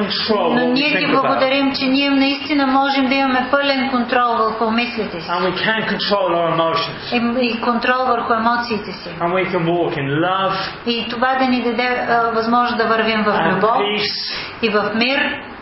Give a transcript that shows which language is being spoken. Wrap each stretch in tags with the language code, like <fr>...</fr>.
<bg>Но ние ти благодарим, че ние наистина можем да имаме пълен контрол върху мислите си.</bg> <en>And we can control our emotions.</en> <bg>И контрол върху емоциите си.</bg> <en>And we can walk in love.</en> <bg>И това да ни даде възможност да вървим в любов и в мир.</bg>